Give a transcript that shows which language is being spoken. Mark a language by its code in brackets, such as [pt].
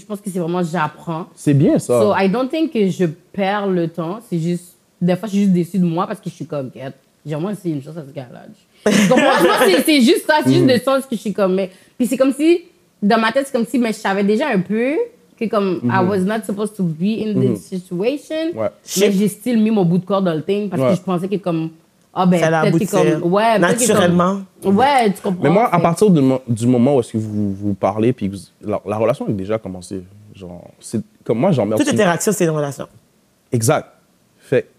[fr] Je pense que c'est vraiment j'apprends. C'est bien ça. [en] So, I don't think [fr] que je perds le temps. C'est juste... Des fois, je suis juste déçue de moi parce que je suis comme... J'ai vraiment essayé une chose à ce gars-là. Donc, moi, je pense que c'est juste ça. C'est juste le sens que je suis comme... Puis c'est comme si... Dans ma tête, c'est comme si mais je savais déjà un peu... Que comme, [en] I was not supposed to be in this situation. [fr] Ouais. Mais j'ai still mis mon bout de corps dans le thing parce que je pensais que comme... Ah ben, ça l'aboutit naturellement. Ouais, tu comprends. Mais moi, à partir du moment où est-ce que vous parlez, puis la relation a déjà commencé. Genre, c'est comme moi, j'emmerde. Toute interaction, c'est une relation. Exact. Fait,